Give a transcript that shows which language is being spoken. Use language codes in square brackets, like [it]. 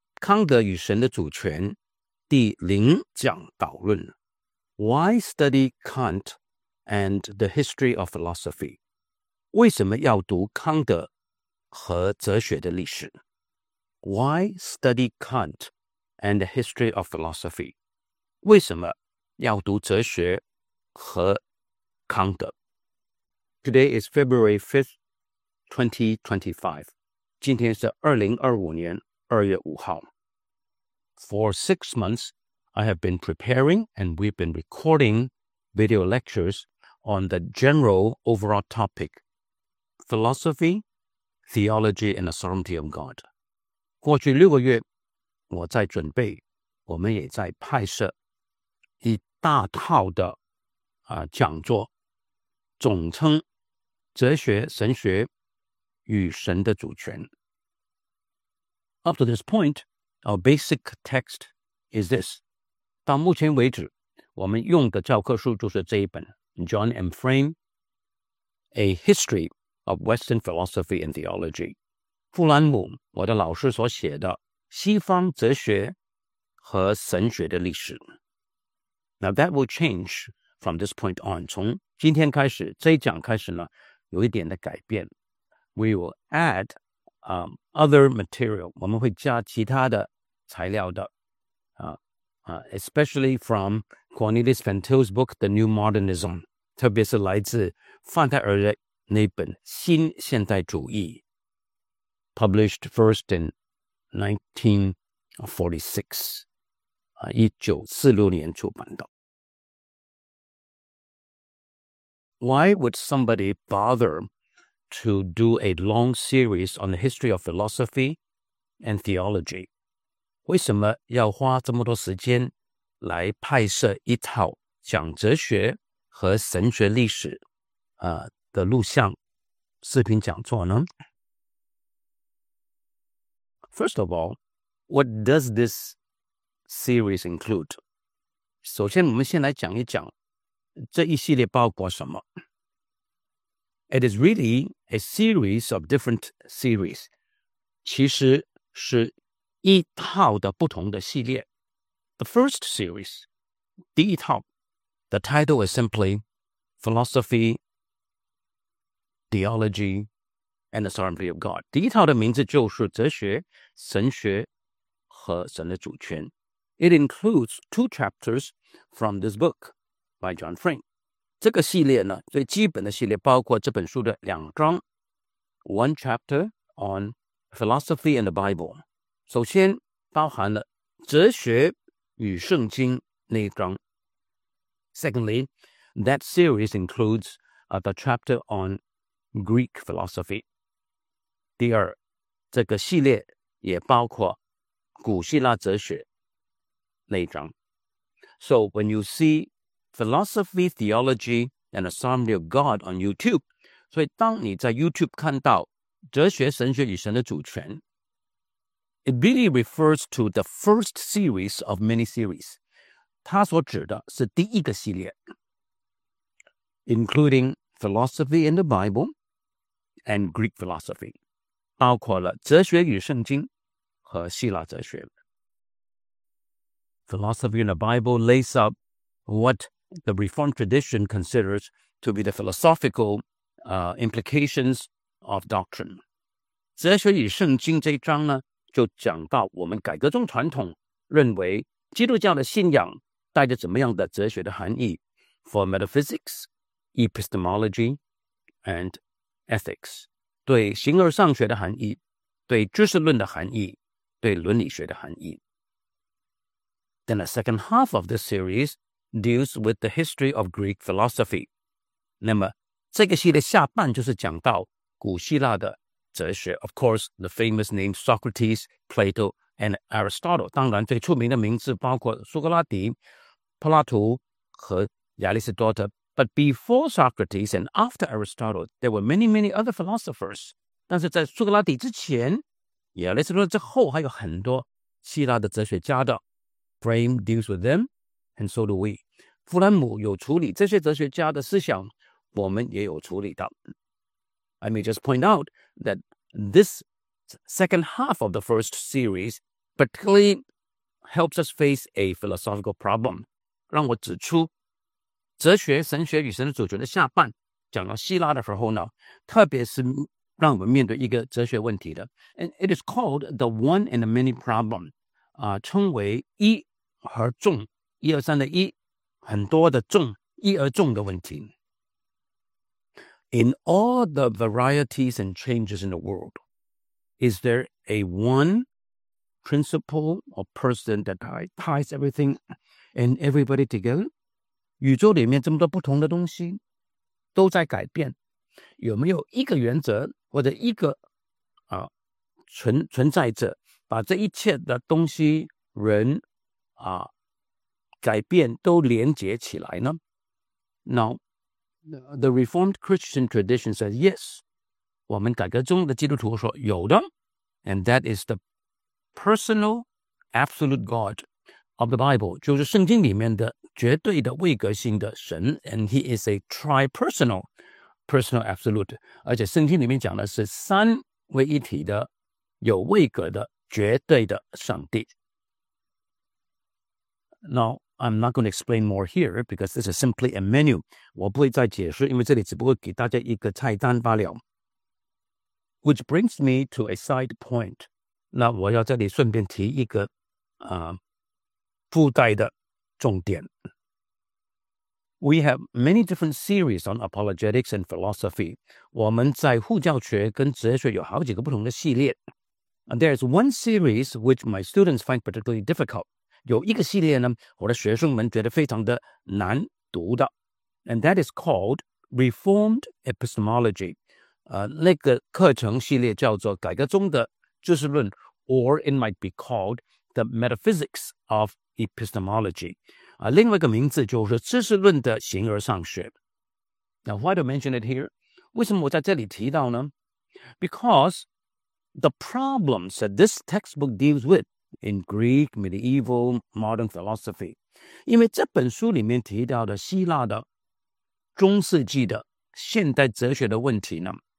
[zh] 康德与神的主权第零讲导论。 [en] Why study Kant and the history of philosophy? [zh] 为什么要读康德和哲学的历史? [en] Why study Kant and the history of philosophy? [zh] 为什么要读哲学和康德? [en] Today is February 5th, 2025. [zh] 今天是2025年2月5号。 [en] For 6 months, I have been preparing and we've been recording video lectures on the general overall topic, philosophy, theology, and the sovereignty of God. [zh] 过去六个月，我在准备，我们也在拍摄一大套的讲座，总称哲学、神学与神的主权。 [en] Up to this point,Our basic text is this. [zh] 到目前为止，我们用的教科书就是这一本 John M. [en] Frame, A History of Western Philosophy and Theology. [zh] 富兰姆，我的老师所写的《西方哲学和神学的历史》。 [en] Now that will change from this point on. [zh] 从今天开始，这一讲开始呢，有一点的改变。 [en] We will add other material. [zh] 我们会加其他的材料的 [en] especially from Cornelis Van Til's book The New Modernism [zh] 特别是来自范泰尔的那本新现代主义 [en] published first in 1946 [zh] 1946年出版的 [en] Why would somebody bother to do a long series on the history of philosophy and theology? [zh] 为什么要花这么多时间来拍摄一套讲哲学和神学历史的录像视频讲座呢? [en] First of all, what does this series include? [zh] 首先我们先来讲一讲这一系列包括什么。 [en] It is really a series of different series. [zh] 其实是一套的不同的系列 [en] The first series [zh] 第一套 [en] The title is simply Philosophy Theology And the Sovereignty of God [zh] 第一套的名字就是哲学神学和神的主权 [en] It includes two chapters from this book by John Frame [zh] 这个系列呢最基本的系列包括这本书的两章 [en] One chapter on Philosophy and the Bible [zh] 首先包含了哲学与圣经那一章。 [en] Secondly, that series includes the chapter on Greek philosophy. [zh] 第二，这个系列也包括古希腊哲学那一章。 [en] So when you see philosophy, theology, and the sovereignty of God on YouTube, [zh] 所以当你在 YouTube 看到哲学、神学与神的主权 [en] It really refers to the first series of many series. [zh] 它所指的是第一个系列 [en] including philosophy in the Bible and Greek philosophy. [zh] 包括了哲学与圣经和希腊哲学 [en] Philosophy in the Bible lays out what the Reformed tradition considers to be the philosophical implications of doctrine. [zh] 哲学与圣经这一章呢就讲到我们改革中传统认为基督教的信仰带着怎么样的哲学的含义 [en] For metaphysics, epistemology, and ethics [zh] 对形而上学的含义对知识论的含义对伦理学的含义 [en] Then the second half of this series deals with the history of Greek philosophy [zh] 那么这个系列下半就是讲到古希腊的哲学 [en] Of course, the famous names Socrates, Plato, and Aristotle. [zh] 当然最出名的名字包括苏格拉底、柏拉图和亚里士多德。 [en] But before Socrates and after Aristotle, there were many, many other philosophers. [zh] 但是在苏格拉底之前、亚里士多德之后还有很多希腊的哲学家的。 [en] Frame deals with them, and so do we. [zh] 富兰姆有处理这些哲学家的思想,我们也有处理的。 [en] I may just point out that this second half of the first series particularly helps us face a philosophical problem. [zh] 让我指出，哲学、神学与神的主权的下半讲到希腊的时候呢，特别是让我们面对一个哲学问题的。 [en] And it is called the one and the many problem. [zh] 啊，称为一而众，一而三的一，很多的众，一而众的问题。 [en] In all the varieties and changes in the world, is there a one principle or person that ties everything and everybody together? [zh] 宇宙里面这么多不同的东西都在改变，有没有一个原则或者一个、啊、存在者把这一切的东西人、啊、改变都连接起来呢？ [en] Now, the Reformed Christian tradition says yes. [zh] 我们改革中的基督徒说有的。 [en] And that is the personal absolute God of the Bible. [zh] 就是圣经里面的绝对的位格性的神。 [en] And he is a tri-personal personal absolute. [zh] 而且圣经里面讲的是三位一体的有位格的绝对的上帝。 [en] Now,I'm not going to explain more here because this is simply a menu. [zh] 我不会再解释，因为这里只不过给大家一个菜单罢了。 [en] Which brings me to a side point. [zh] 那我要这里顺便提一个、附带的重点。 [en] We have many different series on apologetics and philosophy. [zh] 我们在护教学跟哲学有好几个不同的系列。 [en] And there is one series which my students find particularly difficult. [zh] 有一个系列呢，我的学生们觉得非常的难读的。 [en] And that is called Reformed Epistemology. [zh] 那个课程系列叫做改革中的知识论， [en] or it might be called the Metaphysics of Epistemology. [zh] 另外一个名字就是知识论的形而上学。 [en] Now, why do I mention it here? [zh] 为什么我在这里提到呢？ [en] Because the problems that this textbook deals withIn Greek, medieval, modern philosophy. [zh] 因为这本书里面提到的希腊的中世纪的现代哲学的问题呢，